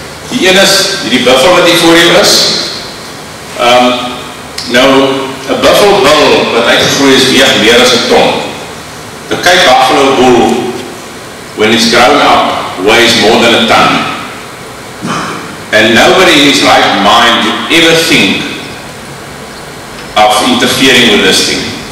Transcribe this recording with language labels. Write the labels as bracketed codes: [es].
[af] Die een is hierdie buffel wat hier voor jou is. 'N buffel bul wat uitgegroei is weeg meer as 'n ton. [en] The Cape buffalo bull, when it's grown up, weighs more than a ton. And nobody in his right mind would ever think of interfering with this thing.